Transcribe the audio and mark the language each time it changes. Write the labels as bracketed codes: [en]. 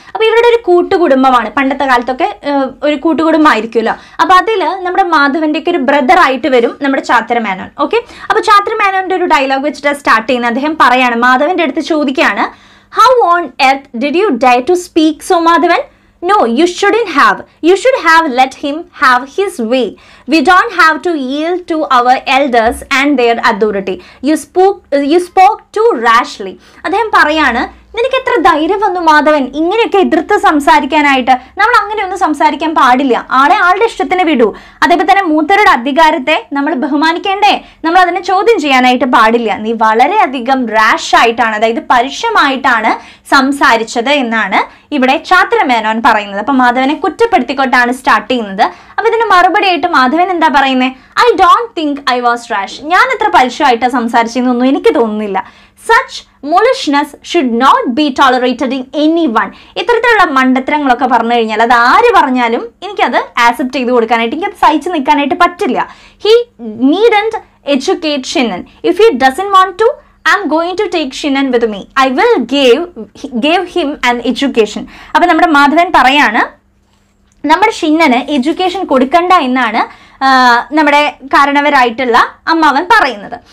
[ml] അപ്പൊ ഇവരുടെ ഒരു കൂട്ടുകുടുംബമാണ്, പണ്ടത്തെ കാലത്തൊക്കെ ഒരു കൂട്ടുകുടുംബം ആയിരിക്കുമല്ലോ. അപ്പൊ അതിൽ നമ്മുടെ മാധവന്റെ ഒക്കെ ഒരു ബ്രദർ ആയിട്ട് വരും നമ്മുടെ ചാന്ദുമേനോൻ. ഓക്കെ, അപ്പൊ ചാന്ദുമേനോന്റെ ഒരു ഡയലോഗ് വെച്ചിട്ട് സ്റ്റാർട്ട് ചെയ്യുന്നത് അദ്ദേഹം പറയാണ്, മാധവന്റെ അടുത്ത് ചോദിക്കുകയാണ്, [en] How on earth did you dare to speak so Madhavan? No, you shouldn't have. You should have let him have his way. We don't have to yield to our elders and their authority. You spoke too rashly. [ml] Adhem parayana, നിനക്ക് എത്ര ധൈര്യം വന്നു മാധവൻ ഇങ്ങനെയൊക്കെ എതിർത്ത് സംസാരിക്കാനായിട്ട്. നമ്മൾ അങ്ങനെയൊന്നും സംസാരിക്കാൻ പാടില്ല, ആളെ ആളുടെ ഇഷ്ടത്തിന് വിടൂ. അതേപോലെ തന്നെ മൂത്തരുടെ അധികാരത്തെ നമ്മൾ ബഹുമാനിക്കേണ്ടേ, നമ്മൾ അതിനെ ചോദ്യം ചെയ്യാനായിട്ട് പാടില്ല. നീ വളരെയധികം റാഷായിട്ടാണ്, അതായത് പരുഷമായിട്ടാണ് സംസാരിച്ചത് എന്നാണ് ഇവിടെ ചാന്ദുമേനോൻ പറയുന്നത്. അപ്പം മാധവനെ കുറ്റപ്പെടുത്തിക്കൊണ്ടാണ് സ്റ്റാർട്ട് ചെയ്യുന്നത്. അപ്പം ഇതിന് മറുപടിയായിട്ട് മാധവൻ എന്താ പറയുന്നത്, [en] I don't think I was rash, [ml] ഞാൻ എത്ര പരുഷമായിട്ടാണ് സംസാരിച്ചതെന്നൊന്നും എനിക്ക് തോന്നുന്നില്ല. [en] Such mulishness should not be tolerated in anyone. [ml] ഇത്തരത്തിലുള്ള മണ്ടത്തരങ്ങളൊക്കെ പറഞ്ഞു കഴിഞ്ഞാൽ അത് ആര് പറഞ്ഞാലും എനിക്കത് ആക്സെപ്റ്റ് ചെയ്ത് കൊടുക്കാനായിട്ട് എനിക്കത് സഹിച്ചു നിൽക്കാനായിട്ട് പറ്റില്ല. [en] He needn't educate Shinnan. If he doesn't want to, I am going to take Shinnan with me. I will give him an education. [ml] അപ്പം നമ്മുടെ മാധവൻ പറയാണ്, നമ്മുടെ ഷിന്നന് എഡ്യൂക്കേഷൻ കൊടുക്കണ്ട എന്നാണ് നമ്മുടെ കാരണവരായിട്ടുള്ള അമ്മാവൻ പറയുന്നത്.